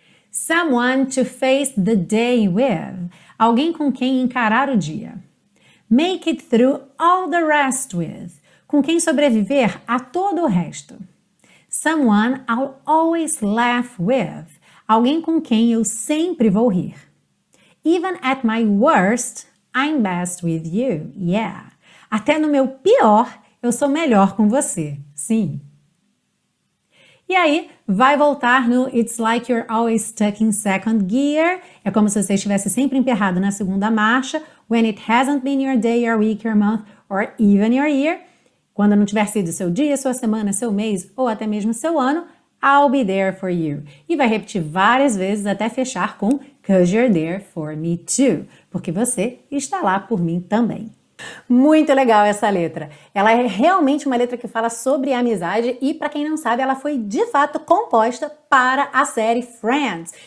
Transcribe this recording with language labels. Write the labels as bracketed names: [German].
[English] Someone to face the day with. [Portuguese] Alguém com quem encarar o dia. [English] Make it through all the rest with. [Portuguese] Com quem sobreviver a todo o resto. [English] Someone I'll always laugh with. [Portuguese] Alguém com quem eu sempre vou rir. [English] Even at my worst, I'm best with you. Yeah. [Portuguese] Até no meu pior, eu sou melhor com você, sim. E aí, vai voltar no [English] It's like you're always stuck in second gear. [Portuguese] É como se você estivesse sempre emperrado na segunda marcha. When it hasn't been your day, your week, your month, or even your year. Quando não tiver sido seu dia, sua semana, seu mês, ou até mesmo seu ano, [English] I'll be there for you. [Portuguese] E vai repetir várias vezes até fechar com [English] 'cause you're there for me too. [Portuguese] Porque você está lá por mim também. Muito legal essa letra. Ela é realmente uma letra que fala sobre amizade e, para quem não sabe, ela foi de fato composta para a série Friends.